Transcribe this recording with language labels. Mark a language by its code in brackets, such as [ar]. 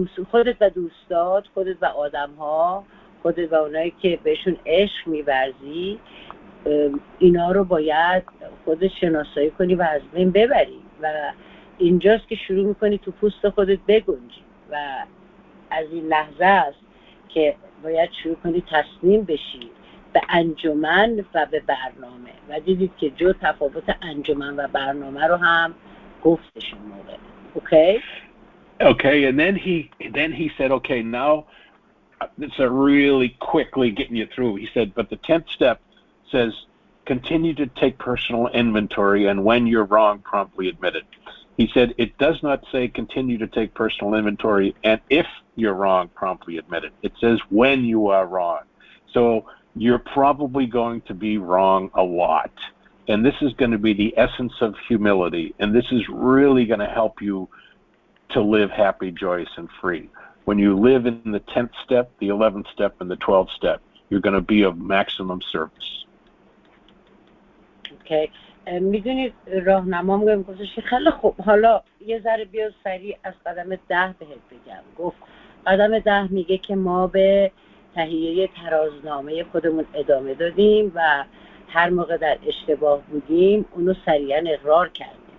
[fa] خودت و دوستات، خودت و آدم ها، خودت و اونایی که بهشون عشق میبرزی، اینا رو باید خودت شناسایی کنی و از بین ببری و اینجاست که شروع میکنی تو پوست خودت بگنجی و از این لحظه است که باید شروع کنی تسلیم بشی به انجمن و به برنامه. و دیدید که جو تفاوت انجمن و برنامه رو هم گفتش اون موقع. [en] Okay, and then he said, okay, now it's a really quickly getting you through. He said, but the 10th step says, continue to take personal inventory, and when you're wrong, promptly admit it. He said, it does not say continue to take personal inventory, and if you're wrong, promptly admit it. It says when you are wrong. So you're probably going to be wrong a lot. And this is going to be the essence of humility. And this is really going to help you to live happy, joyous, and free. When you live in the 10th step, the 11th step, and the 12th step, you're going to be of maximum service. Okay. [fa] میدونید راهنما میگم گفتش که خیلی خوب، حالا یه ذره بیا سریع از قدم 10 بهت بگم. گفت قدم 10 میگه که ما به تهیه ترازنامه خودمون ادامه دادیم و هر موقع در اشتباه بودیم اونو سریعا اقرار کردیم.